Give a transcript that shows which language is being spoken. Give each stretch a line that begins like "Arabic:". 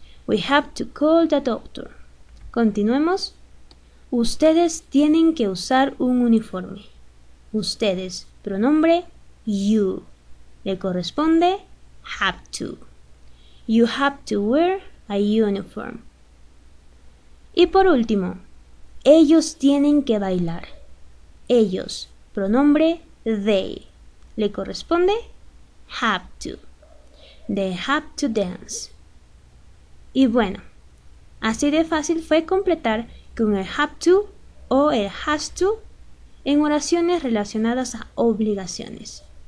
English: We have to call the doctor.
Spanish: Continuemos. Ustedes tienen que usar un uniforme. Ustedes, pronombre you. Le corresponde have to.
English: You have to wear a uniform.
Spanish: Y por último, ellos tienen que bailar. Ellos, pronombre they. Le corresponde have to.
English: They have to dance.
Spanish: Y bueno, así de fácil fue completar con el have to o el has to en oraciones relacionadas a obligaciones.